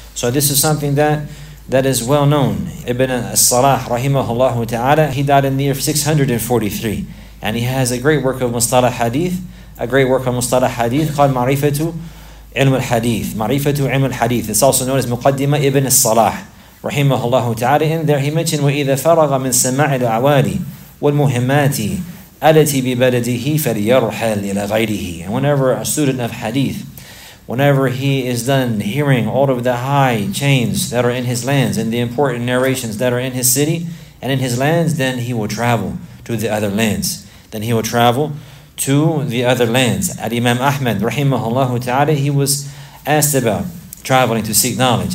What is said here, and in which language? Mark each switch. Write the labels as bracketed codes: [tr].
[en] So this is something that is well known. Ibn al-Salah, rahimahullahu ta'ala, he died in the year 643. And he has a great work of Mustalah Hadith, a great work of Mustalah Hadith called Ma'rifatu Ilm al-Hadith. Ma'rifatu Ilm al-Hadith. It's also known as Muqaddima Ibn al-Salah, rahimahullahu ta'ala. In there he mentioned, [ar] وَإِذَا فَرَغَ مِنْ سَمَعِ الْعَوَالِ وَالْمُهِمَّاتِ أَلَتِ بِبَلَدِهِ فَلْيَرْحَلْ إِلَى غَيْرِهِ. [en] And whenever a student of Hadith, whenever he is done hearing all of the high chains that are in his lands and the important narrations that are in his city and in his lands, then he will travel to the other lands. Then he will travel to the other lands. At Imam Ahmad, rahimahullahu ta'ala, he was asked about traveling to seek knowledge.